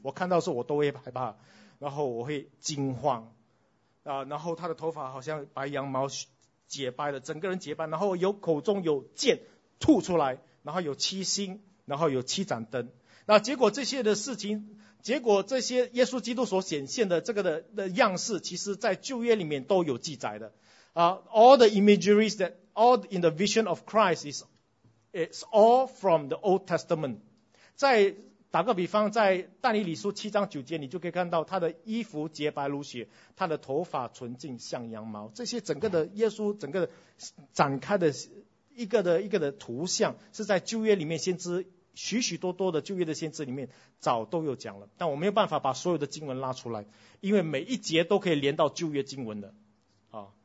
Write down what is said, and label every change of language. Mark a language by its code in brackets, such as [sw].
[zh] 我看到的时候我都会害怕，然后我会惊慌啊，然后他的头发好像白羊毛洁白的，整个人洁白，然后有口中有剑吐出来，然后有七星，然后有七盏灯。那结果这些的事情，结果这些耶稣基督所显现的这个的样式，其实在旧约里面都有记载的。 [en] All the imageries that all in the vision of Christ is all from the Old Testament. [zh] 再打个比方，在但以理书七章九节，你就可以看到他的衣服洁白如雪，他的头发纯净像羊毛，这些整个的耶稣整个展开的一个的图像，是在旧约里面先知许许多多的旧约的先知里面早都有讲了，但我没有办法把所有的经文拉出来，因为每一节都可以连到旧约经文的啊。